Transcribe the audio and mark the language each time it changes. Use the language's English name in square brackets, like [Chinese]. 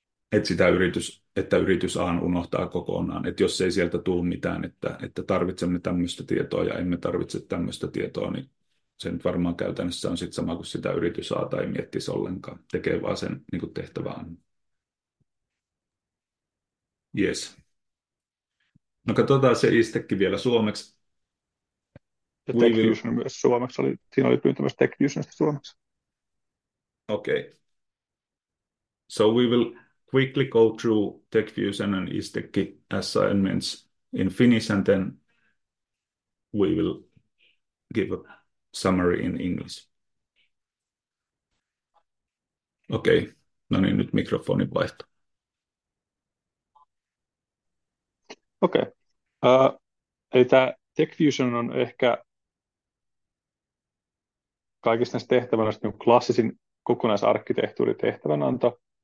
[Finnish] että yritys A unohtaa kokonaan, että jos ei sieltä tule mitään, että tarvitsemme tämmöistä tietoa ja emme tarvitse tämmöistä tietoa, niin se nyt varmaan käytännössä on sitten sama kuin sitä yritys A tai miettisi ollenkaan, tekee vaan sen niin kuin tehtävään. Jes. No katsotaan se istekin vielä suomeksi. Ja TechFusion myös suomeksi, siinä oli pyyntö myös TechFusionista suomeksi. Okei. Okay. [English] So we will quickly go through TechFusion and Istekki assignments in Finnish, and then we will give a summary in English. [Finnish] Okei, okay. No niin, nyt mikrofoni vaihto. Okei, okay. Eli tämä TechFusion on ehkä kaikista näistä tehtävänä klassisin kokonaisarkkitehtuuritehtävänanto.